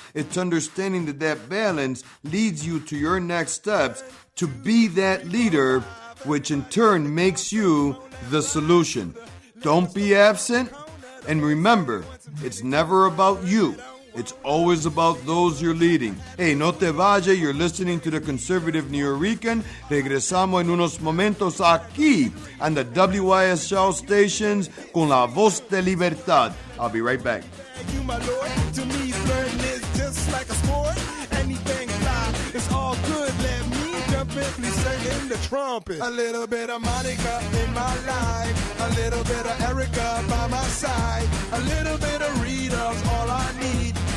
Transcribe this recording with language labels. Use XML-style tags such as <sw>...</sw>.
<en>It's understanding that balance leads you to your next steps to be that leader, which in turn makes you the solution. Don't be absent. And remember, it's never about you. It's always about those you're leading. Hey,</en> <es>no te vayas.</es> <en>You're listening to the Conservative New Yorican.</en> <es>Regresamos en unos momentos aquí</es> <en>on the WYSL stations</en> <es>con la voz de libertad.</es> <en>I'll be right back. Thank you, my Lord. To me, learning is just like a sport. Anything fine, it's all good. Let me jump in, please sing in the trumpet. A little bit of Monica in my life. A little bit of Erica by my side. A little bit of Rita's all I need.</en>